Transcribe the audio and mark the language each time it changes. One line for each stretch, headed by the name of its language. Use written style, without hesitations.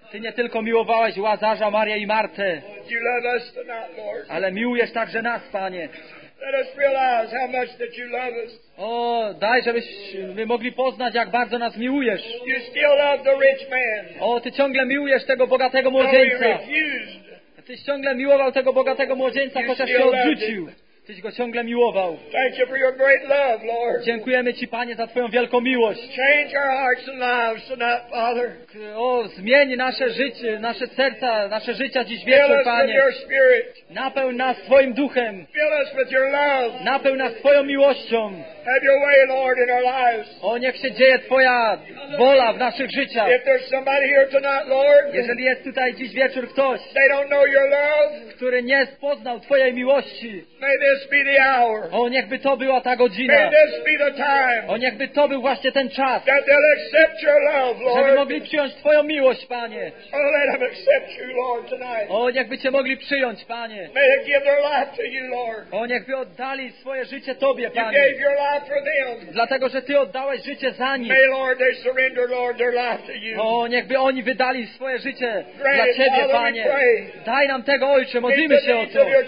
Polish: Ty nie tylko miłowałeś Łazarza, Marię i Martę.
English: You love us tonight, Lord.
Polish: Ale miłujesz także nas, Panie.
English: Let us realize how much that you love us.
Polish: O, daj, żebyśmy mogli poznać, jak bardzo nas miłujesz.
English: You still love the rich man.
Polish: O, ty ciągle miłujesz tego bogatego młodzieńca.
English: No, he refused.
Polish: Tyś ciągle miłował tego bogatego młodzieńca, chociaż się odrzucił. Tyś go ciągle miłował.
English: Thank you for your great love, Lord.
Polish: Dziękujemy Ci, Panie, za Twoją wielką miłość.
English: Change our hearts and lives tonight, Father.
Polish: O, zmień nasze życie, nasze serca, nasze życia dziś wieczór, Panie.
English: Fill us with your spirit.
Polish: Napełn nas Twoim duchem.
English: Fill us with your love.
Polish: Napełn nas Twoją miłością.
English: Have your way, Lord, in our lives.
Polish: O, niech się dzieje Twoja wola w naszych życiach.
English: If there's somebody here tonight, Lord,
Polish: jeżeli jest tutaj dziś wieczór ktoś,
English: they don't know your love,
Polish: który nie poznał Twojej miłości,
English: may this be the hour.
Polish: O, niechby to była ta godzina.
English: May this be the time.
Polish: O, niechby to był właśnie ten czas.
English: That they'll accept your love, Lord.
Polish: Żeby mogli przyjąć Twoją miłość, Panie.
English: Oh, let them accept you, Lord, tonight.
Polish: O, niechby Cię mogli przyjąć, Panie.
English: May they give their life to you, Lord.
Polish: O, niechby oddali swoje życie Tobie, Panie.
English: You gave your life for them.
Polish: Dlatego, że Ty oddałeś życie za nich.
English: May, Lord, they surrender, Lord, their life to you.
Polish: O, niechby oni wydali swoje życie
English: pray
Polish: dla Ciebie,
English: Father,
Polish: Panie. Daj nam tego, Ojcze, modlimy się o to.